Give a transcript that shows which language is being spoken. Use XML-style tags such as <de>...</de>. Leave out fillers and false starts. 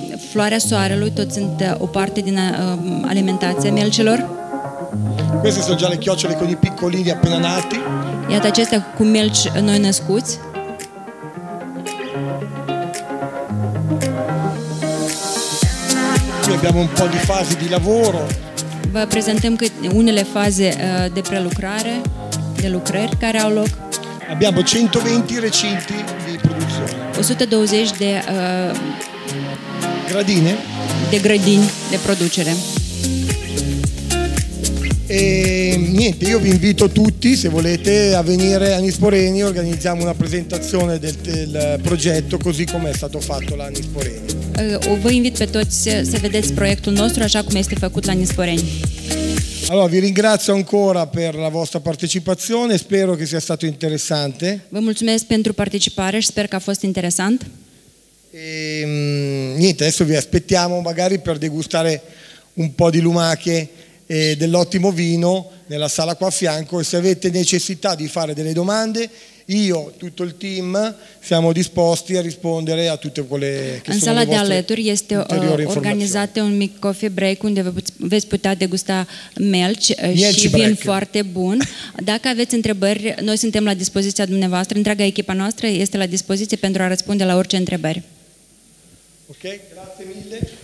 <ro>Floarea soarelui tot sunt o parte din alimentația melcilor.</ro> <it>Queste sono già le chiocciole con i piccolini appena nati.</it> <ro>Iată acestea cu melci noi născuți.</ro> <it>Qui abbiamo un po' di fasi di lavoro.</it> <ro>Vă prezentăm unele faze de prelucrare, de lucrări care au loc.</ro> <it>Abbiamo 120 recinti di produzione.</it> <ro>120 de gradine. De grădini de producere.</ro> <it>E niente, io vi invito tutti, se volete, a venire a Anisporeni, organizziamo una presentazione del progetto così come è stato fatto la Anisporeni.</it> <ro>Vă invit pe toți să vedeți proiectul nostru așa cum este făcut la Anisporeni.</ro> <it>Allora, vi ringrazio ancora per la vostra partecipazione, spero che sia stato interessante.</it> <ro>Vă mulțumesc pentru participare și sper că a fost interesant.</ro> <it>E, niente, adesso vi aspettiamo magari per degustare un po' di lumache e dell'ottimo vino nella sala qua a fianco e se avete necessità di fare delle domande io, tutto il team, siamo disposti a rispondere a tutte quelle che sono le vostre ulteriori informazioni.</it> <ro>In sala de alături organizzate un mic coffee break unde veți putea degusta melci și vin foarte bun. Dacă aveți întrebări, noi suntem la dispoziția dumneavoastră, întreaga echipa noastră este la dispoziție pentru a răspunde la orice întrebări.</ro> <it>Ok, grazie mille.</it>